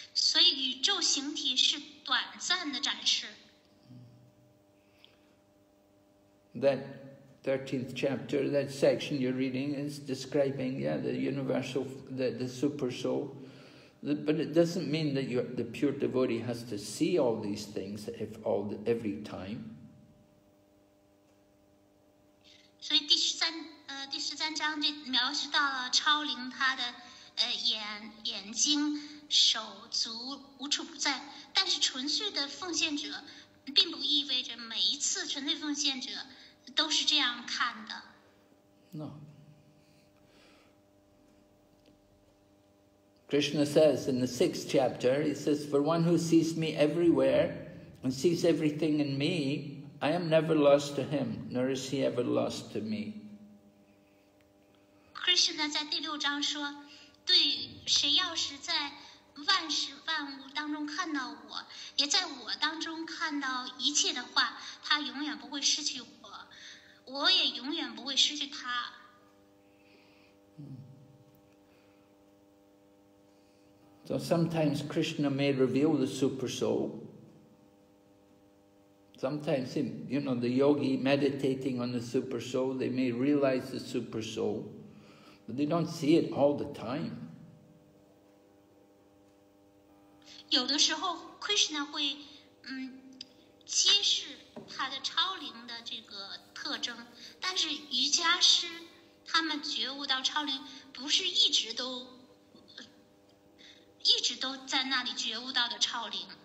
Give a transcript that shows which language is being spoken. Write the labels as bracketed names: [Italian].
[Chinese] 所以宇宙形体是短暂的展示。 [English] That 13th chapter, that section you're reading is describing, yeah, the universal, the super soul, But it doesn't mean that the pure devotee has to see all these things every time. [Chinese] 所以第十三章就描述到了超灵他的眼睛手足无处不在，但是纯粹的奉献者并不意味着每一次纯粹奉献者都是这样看的。 [English] No. Krishna says in the sixth chapter, he says, for one who sees me everywhere and sees everything in me, I am never lost to him, nor is he ever lost to me. [Chinese] Krishna 在第六章说，对谁要是在万事万物当中看到我，也在我当中看到一切的话，他永远不会失去我，我也永远不会失去他。 [English] So sometimes Krishna may reveal the super soul. Sometimes, you know, the yogi meditating on the super soul, they may realize the super soul, but they don't see it all the time. [Chinese] 有的时候 Krishna 会揭示他的超灵的这个特征，但是瑜伽师他们觉悟到超灵不是一直都在那里觉悟到的超灵。